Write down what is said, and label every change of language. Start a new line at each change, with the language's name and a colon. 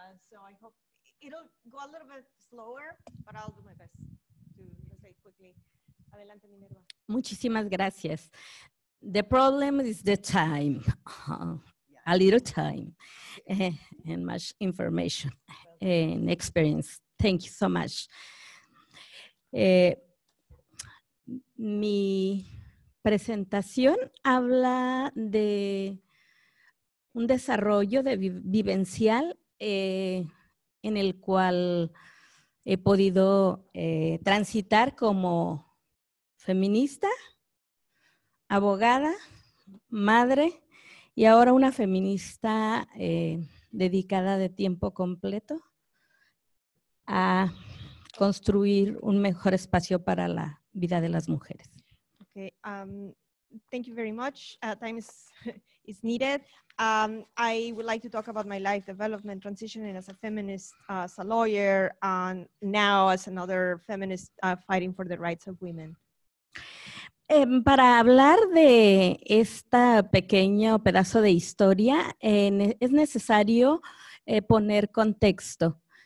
English: So I hope it'll go a little bit slower, but I'll do my best to translate quickly.
Spanish: Adelante, Minerva. Muchísimas gracias.
English: The problem is the time. A little time and much information and experience. Thank you so much.
Spanish: Mi presentación habla de un desarrollo de vivencial en el cual he podido transitar como feminista, abogada, madre, y ahora una feminista dedicada de tiempo completo a construir un mejor espacio para la vida de las mujeres.
English: Okay, thank you very much. Time is needed. I would like to talk about my life development, transitioning as a feminist, as a lawyer, and now as another feminist fighting for the rights of women.
Spanish: Para hablar de este pequeño pedazo de historia, es necesario poner contexto.